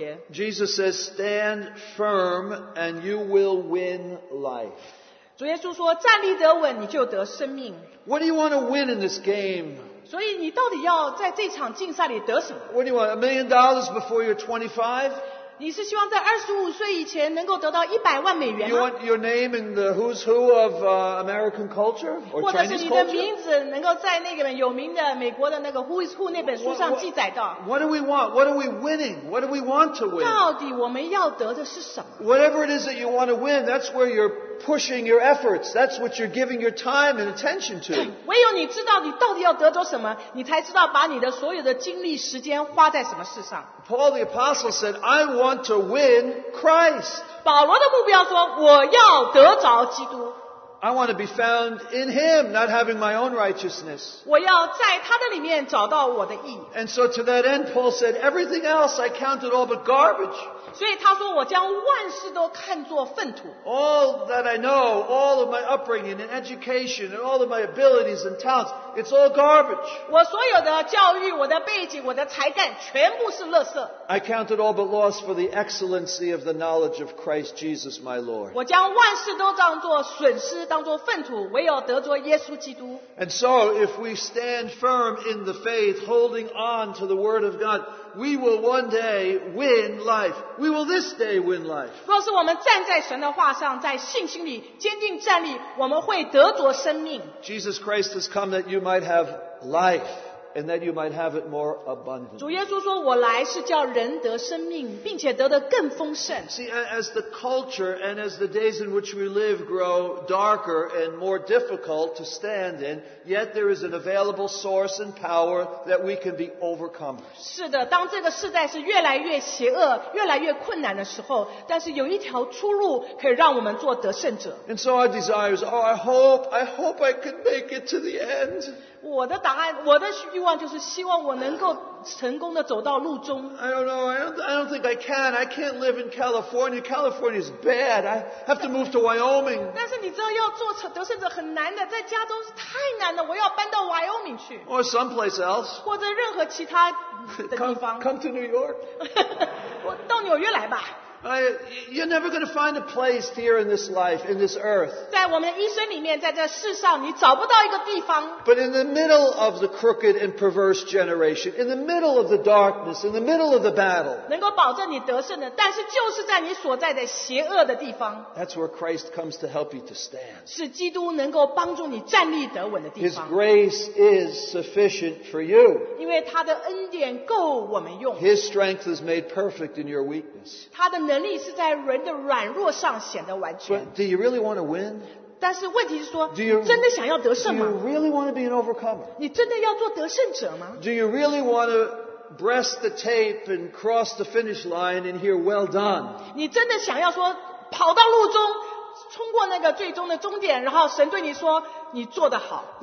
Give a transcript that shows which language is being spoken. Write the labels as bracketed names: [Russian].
[English] Jesus says, "Stand firm, and you will win life." [Chinese] 主耶稣说，站立得稳，你就得生命。 [English] What do you want to win in this game? [Chinese] 所以你到底要在这场竞赛里得什么？ [English] What do you want? $1 million before you're 25? [Chinese] 你是希望在25岁以前能够得到$1,000,000 吗？ [English] You want your name in the who's who of American culture or Chinese culture? [Chinese] 或者是你的名字能够在那个有名的美国的那个 who's who 那本书上记载到。 [English] What do we want? What are we winning? What do we want to win? [Chinese] 到底我们要得的是什么？ [English] Whatever it is that you want to win, that's where you're pushing your efforts. That's what you're giving your time and attention to. [Chinese] 唯有你知道你到底要得着什么，你才知道把你的所有的精力时间花在什么事上。 [English] Paul the Apostle said, I want to win Christ. [Chinese] 保罗的目标说，我要得着基督。 [English] I want to be found in him, not having my own righteousness. [Chinese] 我要在他的里面找到我的义。 [English] And so to that end, Paul said, everything else I counted all but garbage. [Chinese] 所以他说，我将万事都看作粪土。 [English] All that I know, all of my upbringing and education and all of my abilities and talents, it's all garbage. [Chinese] 我所有的教育，我的背景，我的才干，全部是垃圾。 [English] I counted all but loss for the excellency of the knowledge of Christ Jesus my Lord. [Chinese] 我将万事都当作损失，当作粪土，唯有得着耶稣基督。 [English] And so, if we stand firm in the faith, holding on to the word of God, we will one day win life. We will this day win life. [Chinese] 若是我们站在神的话上，在信心里坚定站立，我们会得着生命。 [English] Jesus Christ has come that you might have life, and that you might have it more abundantly. [Chinese] 主耶稣说，我来是叫人得生命，并且得的更丰盛。 [English] See, as the culture and as the days in which we live grow darker and more difficult to stand in, yet there is an available source and power that we can be overcomers. [Chinese] 是的，当这个世代是越来越邪恶，越来越困难的时候，但是有一条出路可以让我们做得胜者。 [English] And so our desire is, oh, I hope I can make it to the end. [Chinese] 我的答案，我的欲望就是希望我能够成功的走到路中。 [English] I don't know. I don't think I can. I can't live in California. California is bad. I have to move to Wyoming. [Chinese] 但是你知道要做得胜者很难的，在加州是太难了，我要搬到 Wyoming 去。 [English] Or someplace else. [Chinese] 或者任何其他的地方。 [English] Come to New York. [Chinese] 我到纽约来吧。 [English] You're never going to find a place here in this life, in this earth. [Chinese] 在我们的一生里面，在这世上，你找不到一个地方。 [English] But in the middle of the crooked and perverse generation, in the middle of the darkness, in the middle of the battle, [Chinese] 能够保证你得胜的，但是就是在你所在的邪恶的地方。 [English] That's where Christ comes to help you to stand. [Chinese] 是基督能够帮助你站立得稳的地方。 [English] His grace is sufficient for you. [Chinese] 因为他的恩典够我们用。 [English] His strength is made perfect in your weakness. [Chinese] 他的能力是在人的软弱上显得完全。 [English] But do you really want to win? [Chinese] 但是问题是说，真的想要得胜吗？ [English] Do you really want to be an overcomer? [Chinese] 你真的要做得胜者吗？ [English] Do you really want to breast the tape and cross the finish line and hear well done? [Chinese] 你真的想要说跑到路中，冲过那个最终的终点，然后神对你说你做得好。